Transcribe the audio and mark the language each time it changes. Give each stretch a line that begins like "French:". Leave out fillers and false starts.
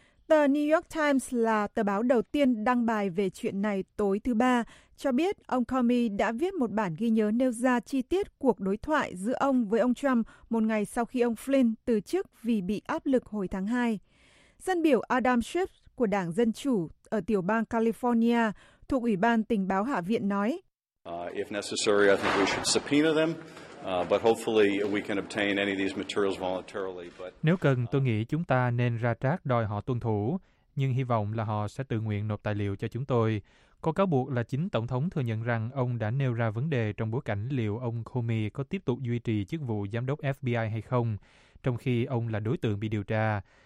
Vietnamese: Tờ New York Times là tờ báo đầu tiên đăng bài về chuyện này tối thứ Ba, cho biết ông Comey đã viết một bản ghi nhớ nêu ra chi tiết cuộc đối thoại giữa ông với ông Trump một ngày sau khi ông Flynn từ chức vì bị áp lực hồi tháng 2. Dân biểu Adam Schiff của Đảng Dân Chủ ở tiểu bang California thuộc Ủy ban Tình báo Hạ viện nói,
English: If necessary, I think we should subpoena them. But hopefully we can obtain any of these materials voluntarily.
Vietnamese: Nếu cần, tôi nghĩ chúng ta nên ra trát đòi họ tuân thủ, nhưng hy vọng là họ sẽ tự nguyện nộp tài liệu cho chúng tôi. Có cáo buộc là chính Tổng thống thừa nhận rằng ông đã nêu ra vấn đề trong bối cảnh liệu ông Comey có tiếp tục duy trì chức vụ giám đốc FBI hay không, trong khi ông là đối tượng bị điều tra.